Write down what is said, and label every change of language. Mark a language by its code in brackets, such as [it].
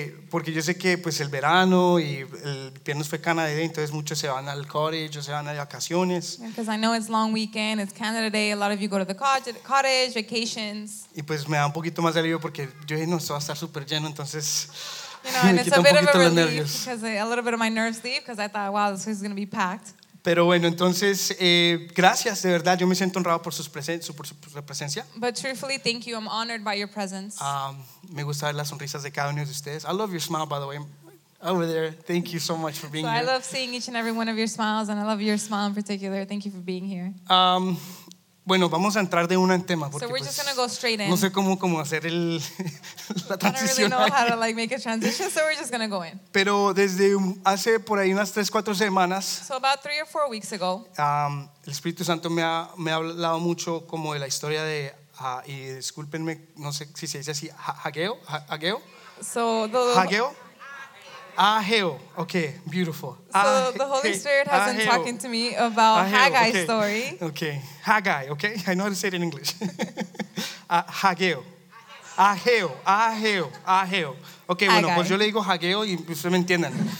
[es] Porque yo sé que pues el verano y el viernes fue Canada Day, entonces muchos se van al college o se van de vacaciones. [en] Because I know it's long weekend, it's Canada Day, a lot of you go to the cottage, vacations. [es] Y pues me da un poquito más de alivio porque yo dije, no, esto va a estar súper lleno, entonces... [en] You know, and it's a bit of a relief because a little bit of my nerves leave because I thought, wow, this is going to be packed. [es] Pero bueno, entonces, gracias, de verdad, yo me siento honrado por su presencia. [en] But truthfully, thank you, I'm honored by your presence. [es] Me gusta ver las sonrisas de cada uno de ustedes. [en] I love your smile, by the way, over there. Thank you so much for being here. So I love seeing each and every one of your smiles, and I love your smile in particular. Thank you for being here. [es] Bueno, vamos a entrar de una en tema. Porque, [en] so we're [es] pues, [en] just going to go straight in. [es] No sé cómo hacer la transición. [en] I don't really know ahí. How to like make a transition, so we're just going to go in. [es] Pero desde hace por ahí unas 3-4 semanas. [en] So about 3 or 4 weeks ago. [es] El Espíritu Santo me ha hablado mucho como de la historia de, y discúlpenme, no sé si se dice así, Hageo, Hageo. [en] So the Hageo. Ageo, okay, beautiful. So the Holy Spirit has been talking to me about Haggai's story. Okay, Haggai, okay? I know how to say it in English. [es] Hageo. Ageo, Ageo, Ageo. Okay, bueno, pues yo le digo Hageo y ustedes me entiendan.